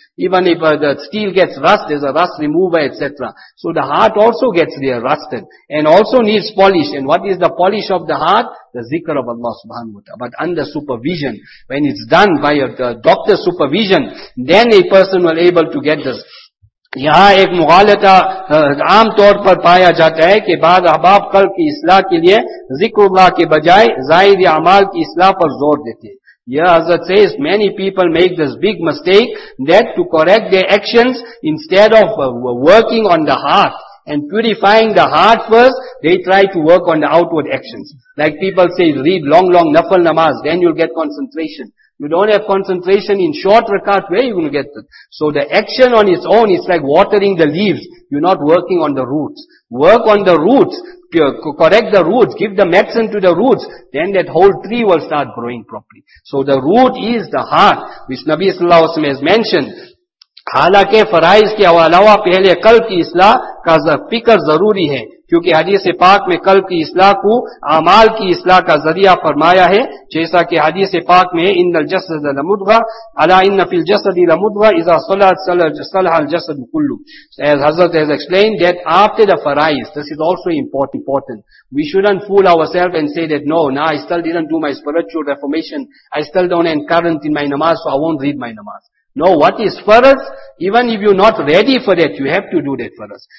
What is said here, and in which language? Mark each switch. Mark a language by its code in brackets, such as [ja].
[en] Even if the steel gets rust, there's a rust remover, etc. So the heart also gets there rusted and also needs polish. And what is the polish of the heart? The zikr of Allah subhanahu wa ta'ala. But under supervision, when it's done by a doctor's supervision, then a person will able to get this. [ur] یہاں ایک مغالطہ عام طور پر پایا جاتا ہے کہ بعض احباب قلب کی اصلاح کے لیے ذکر اللہ کے بجائے ظاہر اعمال کی اصلاح پر زور دیتے ہیں. [en] Yeah, Hazrat says many people make this big mistake that to correct their actions instead of working on the heart and purifying the heart first, they try to work on the outward actions. Like people say, read long nafal namaz, then you'll get concentration. You don't have concentration in short rakat, where are you going to get that? So the action on its own is like watering the leaves. You're not working on the roots. Work on the roots. Correct the roots. Give the medicine to the roots. Then that whole tree will start growing properly. So the root is the heart, which Nabi Sallallahu Alaihi Wasallam has mentioned. [ur] حالانکہ فرائض کے علاوہ پہلے قلب کی اصلاح کا فکر ضروری ہے, کیونکہ حدیث پاک میں قلب کی اصلاح کو اعمال کی اصلاح کا ذریعہ فرمایا ہے, جیسا کہ حدیث پاک میں [ar] ان الجسد لمدغہ الا ان فی الجسد لمدغہ اذا صلحت صلح الجسد کلو. [en] As Hazrat has explained that after the فرائض, this is also important. We shouldn't fool ourselves and say that no, I still didn't do my spiritual reformation, I still don't have current in my namaz, so I won't read my namaz. No, what is faraz? Even if you're not ready for that, you have to do that faraz.